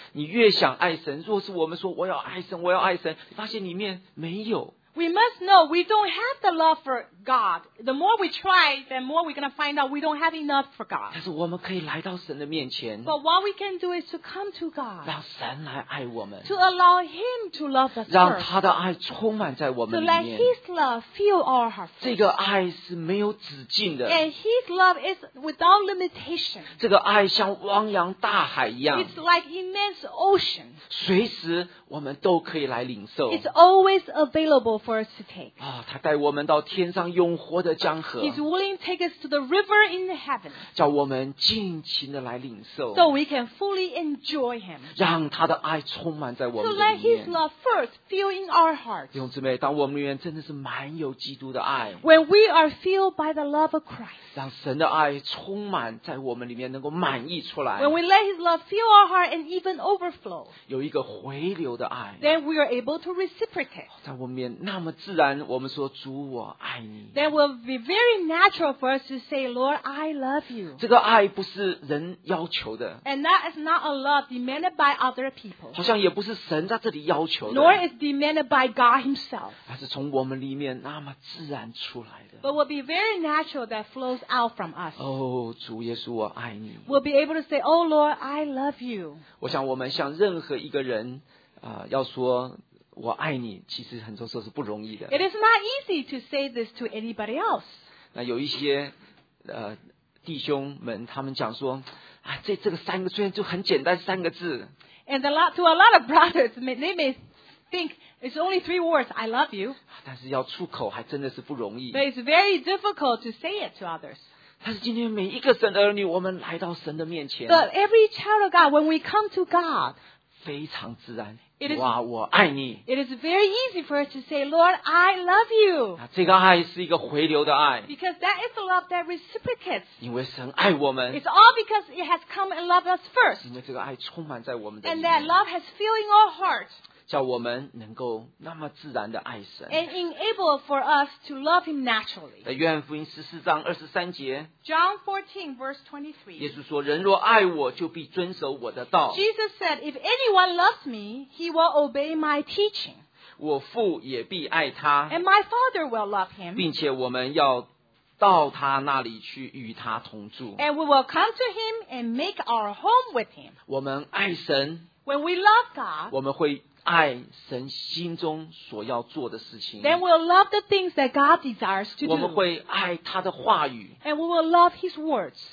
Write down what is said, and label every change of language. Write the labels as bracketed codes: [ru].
[zh] 你越想爱神，若是我们说我要爱神，我要爱神，你发现里面没有。 [en] We must know we don't have the love for God. The more we try, the more we're going to find out we don't have enough for God. [zh] 但是我们可以来到神的面前。 [en] But what we can do is to come to God. [zh] 让神来爱我们。 [en] To allow Him to love us. [zh] 让他的爱充满在我们里面。 [en] To let His love fill our hearts. [zh] 这个爱是没有止境的。 [en] And His love is without limitation. [zh] 这个爱像汪洋大海一样。 [en] It's like immense ocean. [zh] 随时我们都可以来领受。 [en] It's always available for us to take. [zh] 啊，他带我们到天上永活的江河。 [en] He's willing to take us to the river in the heaven. [zh] 叫我们尽情的来领受。 [en] So we can fully enjoy Him. [zh] 让他的爱充满在我们里面。 [en] To let His love first fill in our hearts. [zh] 弟兄姊妹，当我们里面真的是满有基督的爱。 [en] When we are filled by the love of Christ. [zh] 让神的爱充满在我们里面，能够满溢出来。 [en] When we let His love fill our heart and even overflow. [zh] 有一个回流的爱。 [en] Then we are able to reciprocate. [zh] 在我们里面那么自然，我们说主我爱你。 [en] That will be very natural for us to say, Lord, I love you. [zh] 这个爱不是人要求的。 [en] And that is not a love demanded by other people. [zh] 好像也不是神在这里要求的。 [en] Nor is demanded by God Himself. [zh] 而是从我们里面那么自然出来的。 [en] But will be very natural that flows out from us. [zh] 哦，主耶稣，我爱你。 [en] We'll be able to say, Oh Lord, I love you. [zh] 我想我们向任何一个人啊，要说。我爱你，其实很多时候是不容易的。 [en] It is not easy to say this to anybody else. [zh] 那有一些弟兄们，他们讲说，啊，这个三个虽然就很简单三个字。 [en] And to a lot of brothers, they may think it's only three words, I love you. [zh] 但是要出口还真的是不容易。 [en] But it's very difficult to say it to others. [zh] 但是今天每一个神儿女，我们来到神的面前。 [en] But every child of God, when we come to God, [zh] 非常自然。哇，我爱你。 [en] It is very easy for us to say, Lord, I love you. [zh] 这个爱是一个回流的爱。 [en] Because that is the love that reciprocates. [zh] 因为神爱我们。 [en] It's all because it has come and loved us first. [zh] 因为这个爱充满在我们的里面。 [en] And that love has filled in our heart. [zh] 叫我们能够那么自然的爱神。 [en] And enable for us to love Him naturally. [zh] 在约翰福音14:23。 [en] John 14:23。 [zh] 耶稣说，人若爱我，就必遵守我的道。 [en] Jesus said, if anyone loves me, he will obey my teaching. [zh] 我父也必爱他。 [en] And my father will love him. [zh] 并且我们要到他那里去与他同住。 [en] And we will come to him and make our home with him. [zh] 我们爱神。 [en] When we love God, [zh] 我们会爱神心中所要做的事情。 [en] Then we'll love the things that God desires to do. [zh] 我们会爱他的话语。 [en] And we will love His words.